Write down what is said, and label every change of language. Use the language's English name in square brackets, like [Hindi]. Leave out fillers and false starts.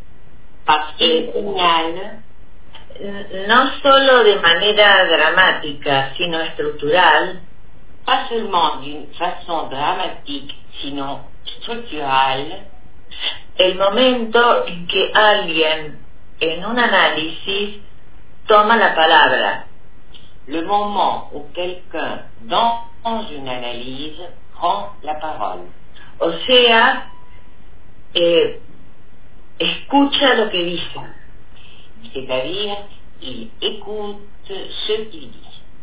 [Spanish] sino también porque señala no solo de manera dramática, sino estructural, [French] pas seulement d'une façon dramatique, sino structural, [Spanish] el momento en que alguien, en un análisis, toma la palabra. [French] Le moment où quelqu'un, dans une analyse, prend la parole. [Spanish] O sea, escucha lo que dice. [French] C'est-à-dire, il écoute ce qu'il dit.